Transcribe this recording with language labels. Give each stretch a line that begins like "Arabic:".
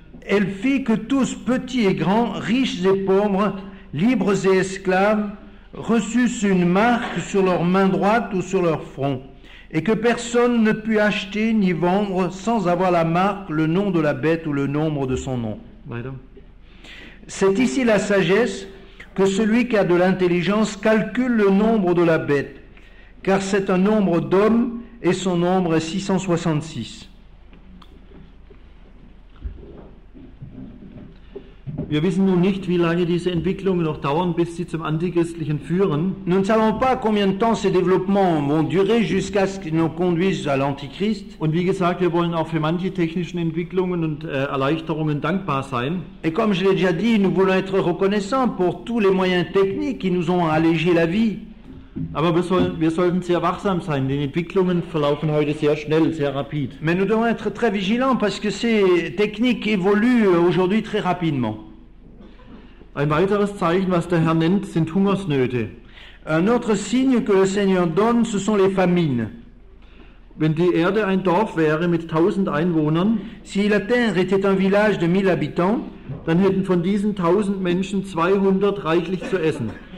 French: Elle fit que tous, petits et grands, riches et pauvres, libres et esclaves, reçussent une marque sur leur main droite ou sur leur front, et que personne ne put acheter ni vendre sans avoir la marque, le nom de la bête ou le nombre de son nom. Madame. C'est ici la sagesse, que celui qui a de l'intelligence calcule le nombre de la bête, car c'est un nombre d'hommes et son nombre est 666.
German: Wir wissen nun nicht, wie lange diese Entwicklungen noch dauern, bis sie zum Antichristlichen führen.
French: Nous ne savons pas combien de temps ces développements vont durer jusqu'à ce qu'ils nous conduisent à l'Antichrist.
German: Und wie gesagt, wir wollen auch für manche technischen Entwicklungen und Erleichterungen dankbar sein.
French: Et comme je l'ai déjà dit, nous voulons être reconnaissants pour tous les moyens techniques qui nous ont allégé la vie.
German: Aber wir sollten sehr wachsam sein, denn Entwicklungen verlaufen heute sehr schnell, sehr rapid.
French: Mais nous devons être très vigilants parce que ces techniques évoluent aujourd'hui très rapidement.
German: Ein weiteres Zeichen, was der Herr nennt, sind Hungersnöte.
French: Un autre signe que le Seigneur donne, ce sont les famines.
German: Wenn die Erde ein Dorf wäre mit 1000 Einwohnern,
French: si la terre était un village de 1000 habitants,
German: dann hätten von diesen 1000 Menschen 200 reichlich zu essen.